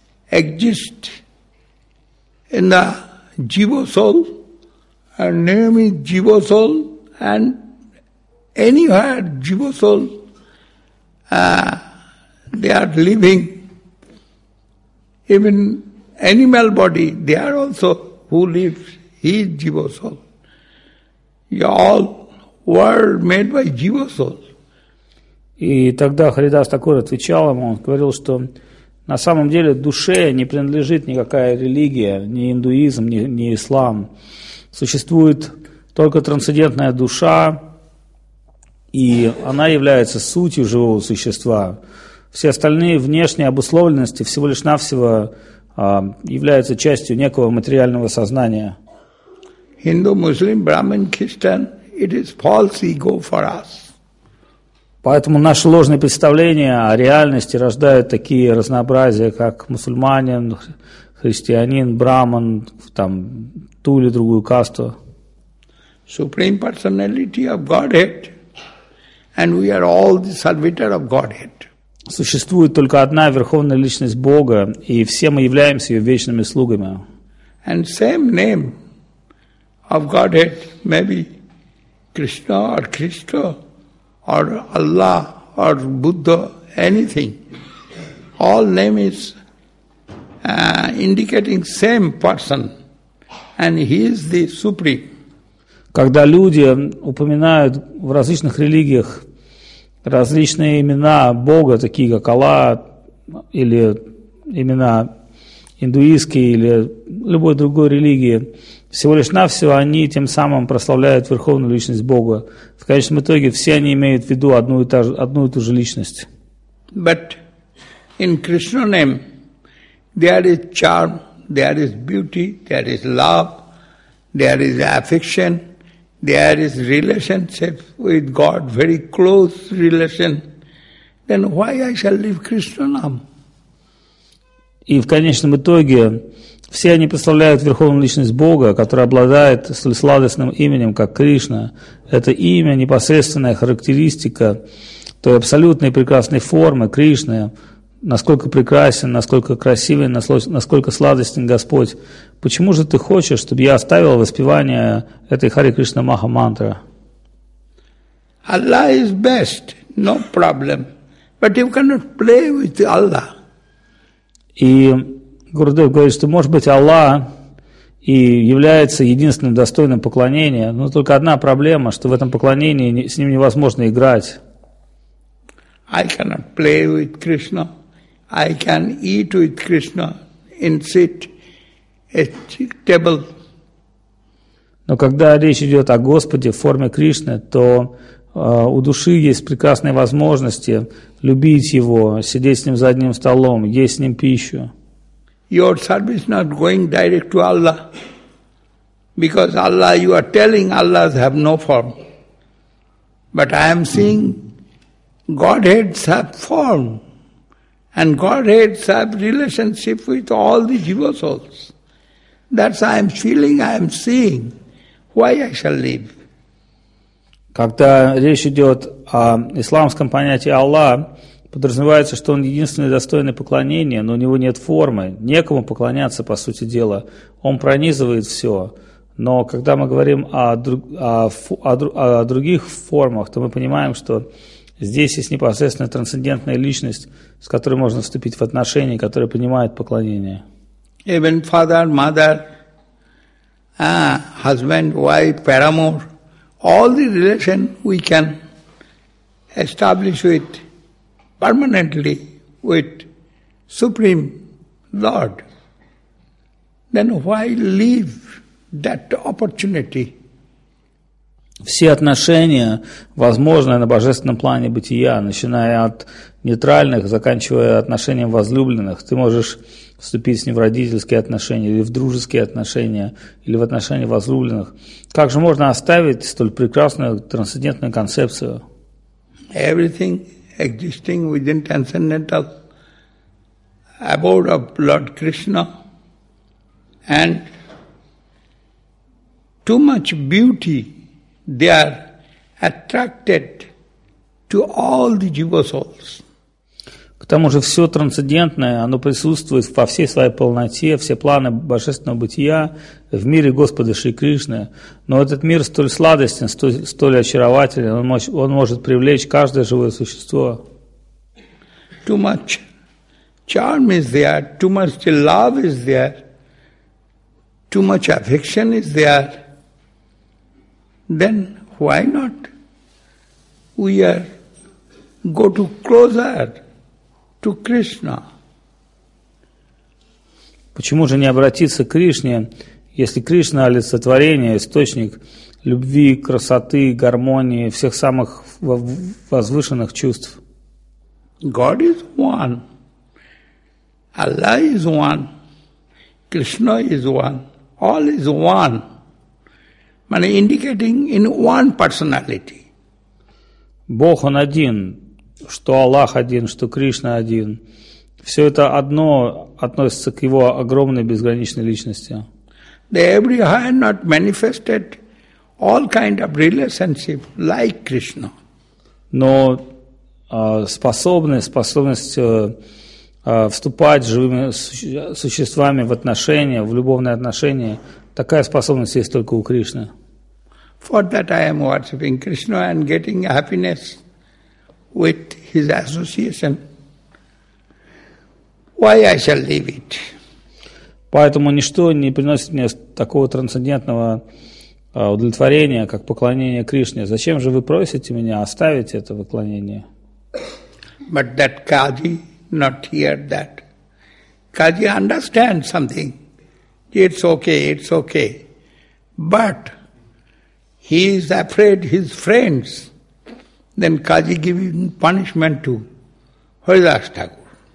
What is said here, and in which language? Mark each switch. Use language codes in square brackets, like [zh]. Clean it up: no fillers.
[en] Exist in the Jiva soul, and name is Jiva soul, and anywhere Jiva soul, they are living. Even animal body, they are also who lives. He is Jiva soul. All world made by Jiva soul. [ru] И тогда Харидас Такур отвечал ему, он говорил, что На самом деле душе не принадлежит никакая религия, ни индуизм, ни ислам. Существует только трансцендентная душа, и она является сутью живого существа. Все остальные внешние обусловленности всего лишь навсего являются частью некого материального сознания. [en] Hindu, Muslim, Brahmin, Christian, it is false ego for us. [ru] Поэтому наши ложные представления о реальности рождают такие разнообразия, как мусульманин, христианин, браман, там, ту или другую касту. [en] Supreme personality of Godhead, and we are all the servitor of Godhead. [ru] Существует только одна верховная личность Бога, и все мы являемся ее вечными слугами. [en] And same name of Godhead, maybe Krishna or Christo. Or Allah, or Buddha, anything. All name is indicating same person, and he is the supreme. [ru] Когда люди упоминают в различных религиях различные имена Бога, такие как Аллах, или имена индуистские, или любой другой религии, всего лишь навсего они тем самым прославляют верховную личность Бога. В конечном итоге все они имеют в виду одну и ту же личность. [en] But in Krishna name there is charm, there is beauty, there is love, there is affection, there is relationship with God, very close relation. Then why I shall leave Krishna name? [ru] И в конечном итоге все они представляют верховную личность Бога, которая обладает сладостным именем, как Кришна. Это имя – непосредственная характеристика той абсолютной прекрасной формы Кришны. Насколько прекрасен, насколько красивый, насколько сладостен Господь. Почему же ты хочешь, чтобы я оставил воспевание этой Харе Кришна Маха мантры? [en] Allah is best, no problem. But you cannot play with Allah. [ru] И Гурудев говорит, что, может быть, Аллах и является единственным достойным поклонения, но только одна проблема, что в этом поклонении с ним невозможно играть. [en] I cannot play with Krishna. I can eat with Krishna and sit at table. [ru] Но когда речь идет о Господе в форме Кришны, то у души есть прекрасные возможности любить Его, сидеть с Ним за одним столом, есть с Ним пищу. [en] Your service not going direct to Allah, because Allah, you are telling Allah have no form. But I am seeing Godheads have form, and Godheads have relationship with all the jiva souls. That's I am feeling, I am seeing. Why I shall leave? [ru] Когда речь идет о исламском понятии Аллах, подразумевается, что он единственный достойный поклонения, но у него нет формы, некому поклоняться, по сути дела. Он пронизывает все. Но когда мы говорим о других формах, то мы понимаем, что здесь есть непосредственная трансцендентная личность, с которой можно вступить в отношения, которая принимает поклонение. [en] Even father, mother, husband, wife, paramour, all the relation we can establish with permanently with Supreme Lord, then why leave that opportunity? [ru] Все отношения возможны на божественном плане бытия, начиная от нейтральных, заканчивая отношением возлюбленных. Ты можешь вступить с ним в родительские отношения или в дружеские отношения, или в отношения возлюбленных. Как же можно оставить столь прекрасную трансцендентную концепцию? [en] Everything existing within transcendental abode of Lord Krishna, and too much beauty, they are attracted to all the jiva souls. [ru] К тому же все трансцендентное, оно присутствует во всей своей полноте, все планы божественного бытия в мире Господа Шри Кришны. Но этот мир столь сладостен, столь очарователен, он может привлечь каждое живое существо. [en] Too much charm is there, too much love is there, too much affection is there. Then why not we are go to closer to Krishna? [ru] Почему же не обратиться к Кришне, если Кришна – олицетворение, источник любви, красоты, гармонии, всех самых возвышенных чувств? [en] God is one. Allah is one. Krishna is one. All is one. Meaning indicating in one personality. [ru] Бог – Он один. Что Аллах один, что Кришна один. Все это одно относится к Его огромной безграничной личности. [en] The every eye not manifested all kind of relationship like Krishna. [ru] Но способность вступать с живыми существами в отношения, в любовные отношения, такая способность есть только у Кришны. [en] For that I am worshipping Krishna and getting happiness with his association. Why I shall leave it? [ru] Поэтому ничто не приносит мне такого трансцендентного удовлетворения, как поклонение Кришне. Зачем же вы просите меня оставить это поклонение? [en] But that Kaji not hear that. Kaji understand something. It's okay, it's okay. But he is afraid his friends. Then Kaji giving punishment to Haridas Thakur.